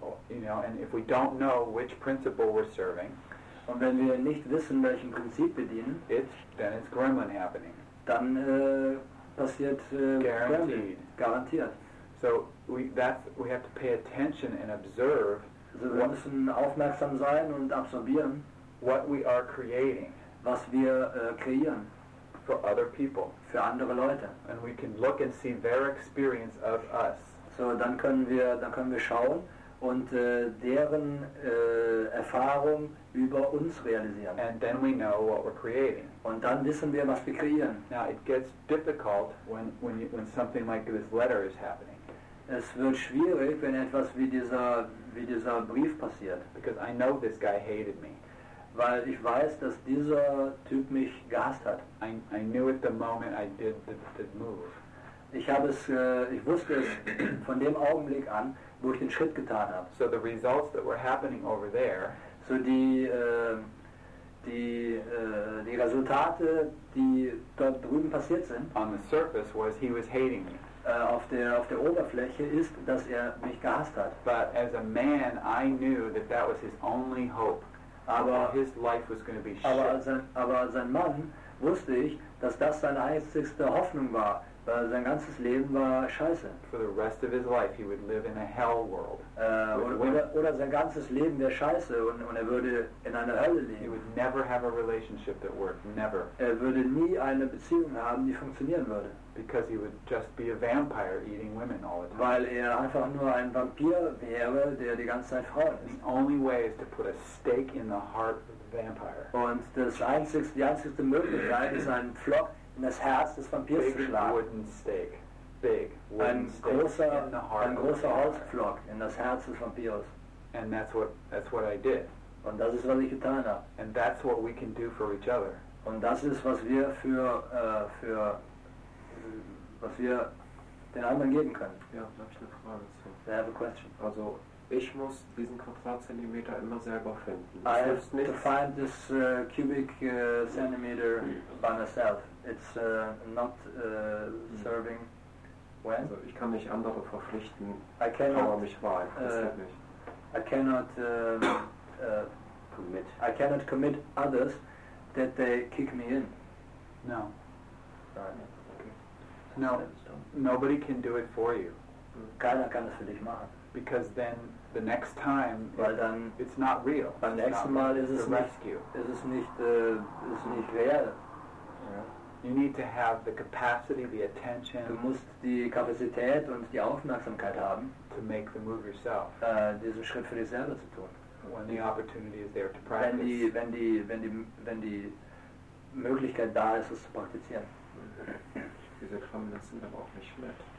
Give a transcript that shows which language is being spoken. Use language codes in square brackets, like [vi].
[en] You know, and if we don't know which principle we're serving, [de] und wenn wir nicht wissen, welchem Prinzip wir dienen, [en] then it's gremlin happening. [de] Dann passiert garantiert. [en] So we have to pay attention and observe. [de] Also wir müssen aufmerksam sein und absorbieren, [en] what we are creating, [de] was wir kreieren, [en] for other people, [de] für andere Leute. [en] And we can look and see their experience of us. [de] So dann können wir schauen und deren Erfahrung über uns realisieren. [en] And then we know what we're creating. [de] Und dann wissen wir, was wir kreieren. [en] Now it gets difficult when something like this letter is happening. [de] Es wird schwierig, wenn etwas wie dieser Brief passiert. [en] Because I know this guy hated me. [de] Weil ich weiß, dass dieser Typ mich gehasst hat. [en] I knew it the moment I did the move. [de] Ich wusste es von dem Augenblick an, wo ich den Schritt getan habe. [en] So the results that were happening over there. [de] So die Resultate, die dort drüben passiert sind. [en] On the surface was he was hating me. [de] Auf der Oberfläche ist, dass er mich gehasst hat. [en] But as a man, I knew that that was his only hope. [de] Aber [en] his life was going to be shit. [de] Aber als ein Mann wusste ich, dass das seine einzigste Hoffnung war, weil sein ganzes Leben war scheiße. [en] For the rest of his life, he would live in a hell world. [de] Oder sein ganzes Leben wäre scheiße und er würde in einer Hölle leben. [en] He would never have a relationship that worked. Never. [de] Er würde nie eine Beziehung haben, die funktionieren würde. [en] Because he would just be a vampire eating women all the time. [de] Weil er einfach nur ein Vampir wäre, der die ganze Zeit Frauen isst. [en] The only way is to put a stake in the heart of the vampire. [de] Und die einzigste Möglichkeit ist, einen Pflock in das Herz des Vampirs [en] big [de] zu schlagen. [en] Wooden stake. Big wooden [de] ein [en] stake. [de] Großer, [en] in the heart [de] ein großer Holzpflock in das Herz des Vampirs. [en] And that's what I did. [de] Und das ist, was ich getan habe. [en] And that's what we can do for each other. [de] Und das ist, was wir für was wir den anderen geben können. Ja, da habe ich eine Frage dazu. [en] I have a question. [de] Also, ich muss diesen Quadratzentimeter immer selber finden. [en] I have to find this cubic centimeter by myself. It's not serving when? [de] Also, ich kann nicht andere verpflichten, [en] I cannot, [de] power mich rein. Das nicht. [en] I cannot commit. I cannot commit others that they kick me in. No. Right. No, nobody can do it for you. [de] Keiner kann es für dich machen. [en] Because then the next time, [de] weil dann [en] it's not real. [de] Beim nächsten Mal ist es nicht. Ist es nicht real. [en] Yeah. You need to have the capacity, the attention. [de] Du musst die Kapazität und die Aufmerksamkeit haben, [en] to make the move yourself. [de] Diesen Schritt für dich selber zu tun. [en] When the opportunity is there to practice. [de] Wenn die Möglichkeit da ist, es zu praktizieren. Diese Kramlins sind aber auch nicht mit.